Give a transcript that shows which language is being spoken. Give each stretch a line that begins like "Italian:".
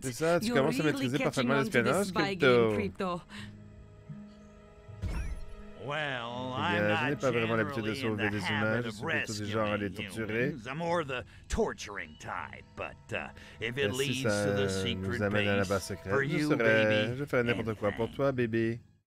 French: C'est ça, tu commences à maîtriser parfaitement l'espionnage, Crypto.
English: Well, I'm not generally in the habit of rescuing humans. I'm more the torturing type, but if it leads to the secret base, for you, baby,
French: je vais faire n'importe quoi pour toi, bébé.